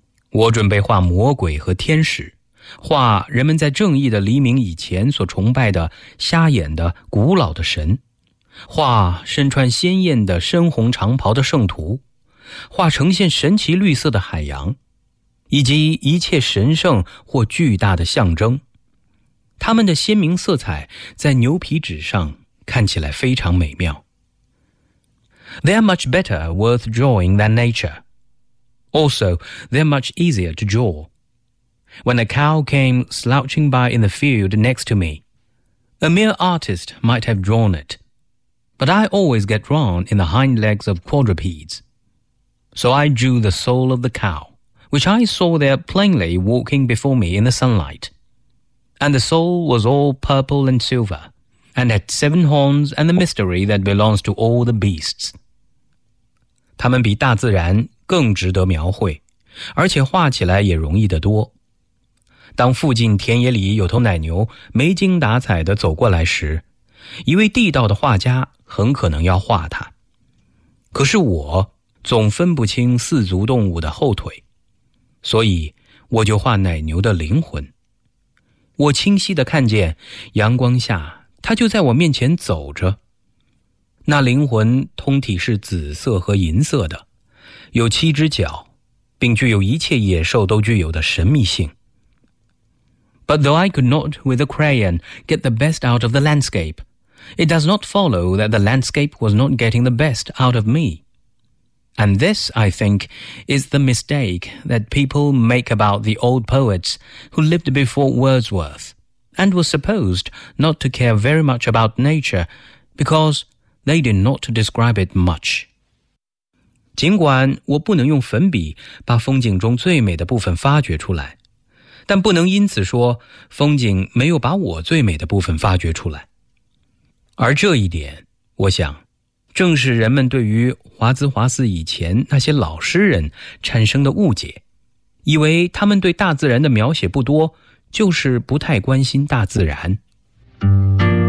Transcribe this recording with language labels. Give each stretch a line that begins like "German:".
Chinese: 我准备画魔鬼和天使，画人们在正义的黎明以前所崇拜的瞎眼的古老的神，画身穿鲜艳的深红长袍的圣徒，画呈现神奇绿色的海洋，以及一切神圣或巨大的象征。它们的鲜明色彩在牛皮纸上看起来非常美妙。
English: They are much better worth drawing than nature. Also, they are much easier to draw. When a cow came slouching by in the field next to me, a mere artist might have drawn it. But I always get drawn in the hind legs of quadrupeds. So I drew the soul of the cow, which I saw there plainly walking before me in the sunlight. And the soul was all purple and silver, and had seven horns and the mystery that belongs to all the beasts.
Chinese: 它们比大自然更值得描绘，而且画起来也容易得多。当附近田野里有头奶牛没精打采地走过来时，一位地道的画家很可能要画它。可是我总分不清四足动物的后腿，所以我就画奶牛的灵魂。我清晰地看见阳光下，它就在我面前走着。那灵魂通体是紫色和银色的，有七只脚，并具有一切野兽都具有的神秘性。
English: But though I could not, with a crayon, get the best out of the landscape, it does not follow that the landscape was not getting the best out of me. And this, I think, is the mistake that people make about the old poets who lived before Wordsworth and were supposed not to care very much about nature because... They did not describe it much.
Chinese: 尽管我不能用粉笔把风景中最美的部分发掘出来，但不能因此说风景没有把我最美的部分发掘出来。而这一点，我想，正是人们对于华兹华斯以前那些老诗人产生的误解，以为他们对大自然的描写不多，就是不太关心大自然。